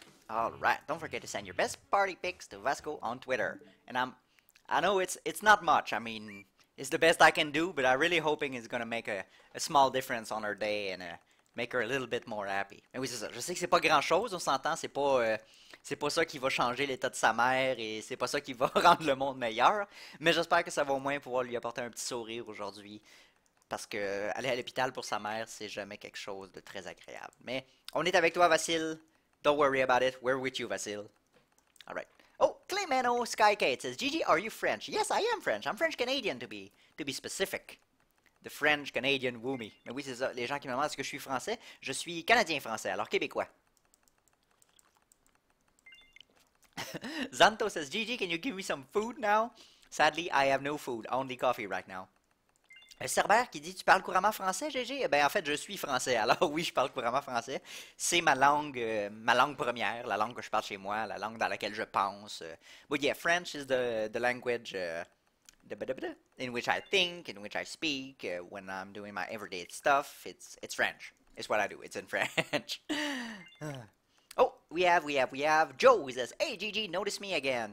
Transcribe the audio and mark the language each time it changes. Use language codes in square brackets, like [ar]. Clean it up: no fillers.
[en] Alright, don't forget to send your best party pics to Vasco on Twitter. And I know it's not much, I mean, it's the best I can do, but I'm really hoping it's gonna make a small difference on her day and make her a little bit more happy. [fr] Mais oui, c'est ça. Je sais que c'est pas grand-chose, on s'entend, c'est pas ça qui va changer l'état de sa mère et c'est pas ça qui va rendre le monde meilleur, mais j'espère que ça va au moins pouvoir lui apporter un petit sourire aujourd'hui. Parce que aller à l'hôpital pour sa mère, c'est jamais quelque chose de très agréable. Mais on est avec toi, [en] Vasil. Don't worry about it. We're with you, Vasil. Alright. Oh, Claymano Skycade says, Gigi, are you French? Yes, I am French. I'm French-Canadian, to be specific. The French-Canadian woomy. [fr] Mais oui, c'est ça. Les gens qui me demandent est-ce que je suis français, je suis Canadien-Français, alors Québécois. [en] Zanto says, Gigi, can you give me some food now? Sadly, I have no food. Only coffee right now. [fr] Cerber qui dit tu parles couramment français, GG? Eh bien, en fait, je suis français. Alors oui, je parle couramment français. C'est ma langue première, la langue que je parle chez moi, la langue dans laquelle je pense. [en] But yeah, French is the language in which I think, in which I speak, when I'm doing my everyday stuff. It's French. It's what I do. It's in French. Oh, we have Joe, who says, hey, Gigi, notice me again.